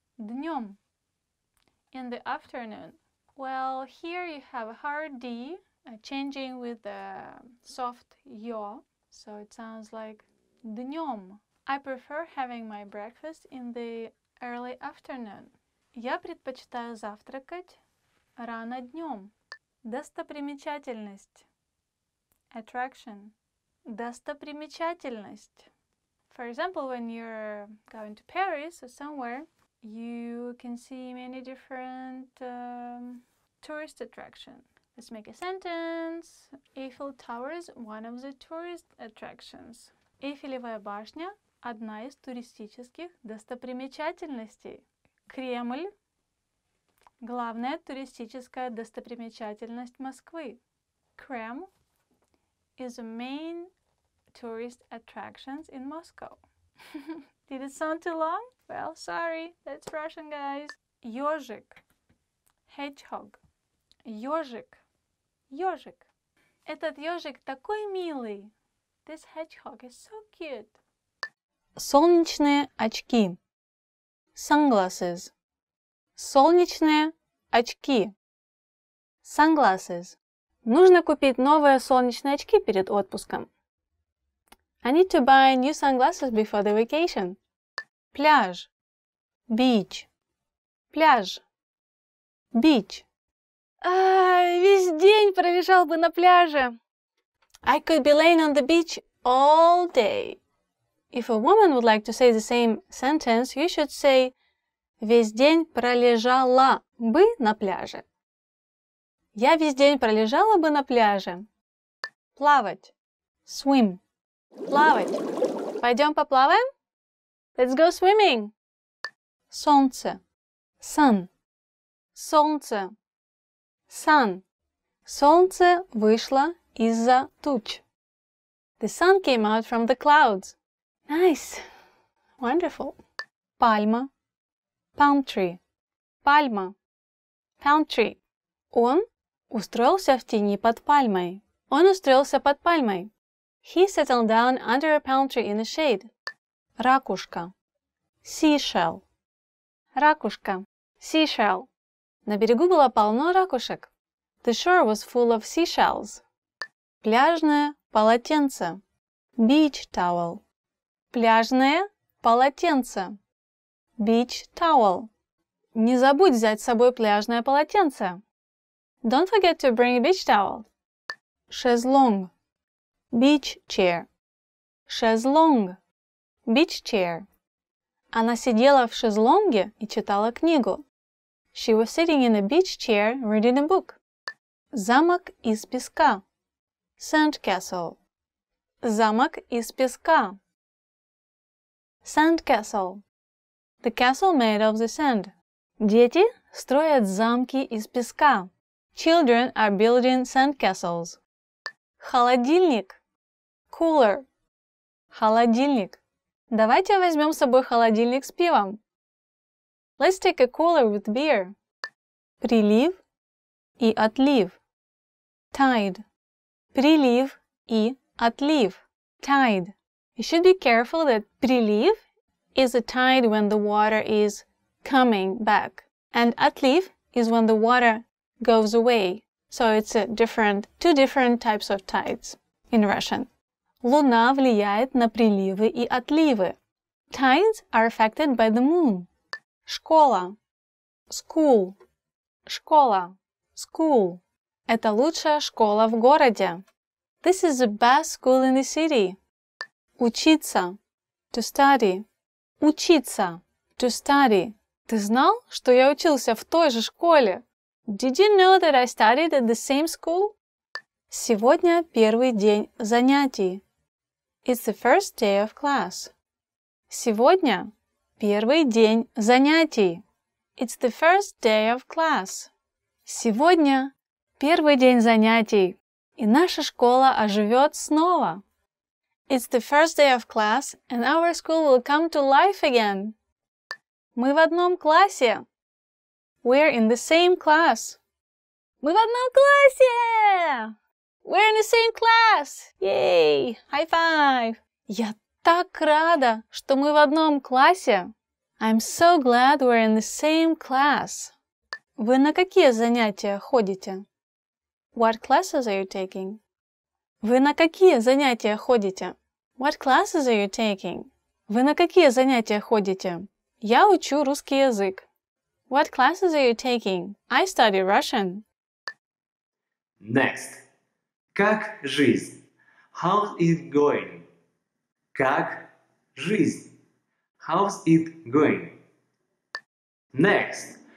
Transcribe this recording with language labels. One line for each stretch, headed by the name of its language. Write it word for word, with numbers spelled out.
Russian: Днём.
English: In the afternoon. Well, here you have a hard D, uh, changing with the soft yo, so it sounds like днём. I prefer having my breakfast in the early afternoon.
Russian: Я предпочитаю завтракать рано днём. Достопримечательность.
English: Attraction.
Russian: Достопримечательность.
English: For example, when you're going to Paris or somewhere, you can see many different um, tourist attractions. Let's make a sentence. Eiffel Tower is one of the tourist attractions.
Russian: Эйфелевая башня – одна из туристических достопримечательностей. Кремль – главная туристическая достопримечательность Москвы.
English: Kremlin is a main tourist attractions in Moscow. Did it sound too long? Well, sorry, that's Russian, guys.
Russian: Ёжик.
English: Hedgehog.
Russian: Ёжик. Ёжик. Этот ёжик такой милый.
English: This hedgehog is so cute.
Russian: Солнечные очки.
English: Sunglasses.
Russian: Солнечные очки.
English: Sunglasses.
Russian: Нужно купить новые солнечные очки перед отпуском.
English: I need to buy new sunglasses before the vacation.
Russian: Пляж.
English: Beach.
Russian: Пляж. Beach. А, весь день провисал бы на пляже.
English: I could be laying on the beach all day. If a woman would like to say the same sentence, you should say
Russian: весь день пролежала бы на пляже. Я весь день пролежала бы на пляже. Плавать.
English: Swim.
Russian: Плавать. Пойдем поплаваем?
English: Let's go swimming.
Russian: Солнце.
English: Sun.
Russian: Солнце. Sun. Солнце вышло из-за туч.
English: The sun came out from the clouds. Nice. Wonderful.
Russian: Пальма.
English: Palm tree. Пальма. Palm tree.
Russian: Он устроился в тени под пальмой. Он устроился под пальмой.
English: He settled down under a palm tree in the shade.
Russian: Ракушка.
English: Seashell.
Russian: Ракушка. Seashell. На берегу было полно ракушек.
English: The shore was full of seashells.
Russian: Пляжное полотенце.
English: Beach towel.
Russian: Пляжное полотенце.
English: Beach towel.
Russian: Не забудь взять с собой пляжное полотенце.
English: Don't forget to bring a beach towel.
Russian: Шезлонг.
English: Beach chair.
Russian: Шезлонг.
English: Beach chair.
Russian: Она сидела в шезлонге и читала книгу.
English: She was sitting in a beach chair reading a book.
Russian: Замок из песка.
English: Sandcastle.
Russian: Замок из песка.
English: Sandcastle. The castle made of the sand.
Russian: Дети строят замки из песка.
English: Children are building sandcastles.
Russian: Холодильник.
English: Cooler.
Russian: Холодильник. Давайте возьмем с собой холодильник с пивом.
English: Let's take a cooler with beer.
Russian: Прилив и отлив.
English: Tide.
Russian: Прилив и отлив.
English: Tide. You should be careful that прилив is a tide when the water is coming back. And отлив is when the water goes away. So it's a different, two different types of tides in Russian.
Russian: Луна влияет на приливы и отливы.
English: Tides are affected by the moon.
Russian: Школа.
English: School.
Russian: Школа. School. Это лучшая школа в городе.
English: This is the best school in the city.
Russian: Учиться.
English: To study. Учиться. To study.
Russian: Ты знал, что я учился в той же школе?
English: Did you know that I studied at the same school?
Russian: Сегодня первый день занятий.
English: It's the first day of class.
Russian: Сегодня первый день занятий.
English: It's the first day of class.
Russian: Сегодня первый день занятий. И наша школа оживет снова.
English: It's the first day of class and our school will come to life again.
Russian: Мы в одном классе.
English: We're in the same class.
Russian: Мы в одном классе!
English: We're in the same class! Yay! High five!
Russian: Я так рада, что мы в одном классе.
English: I'm so glad we're in the same class.
Russian: Вы на какие занятия ходите?
English: What classes are you taking?
Russian: Вы на какие занятия ходите?
English: What classes are you taking?
Russian: Вы на какие занятия ходите? Я учу русский язык.
English: What classes are you taking? I study Russian. Next.
Russian: Как жизнь?
English: How's it going?
Russian: Как жизнь?
English: How's it going? Next.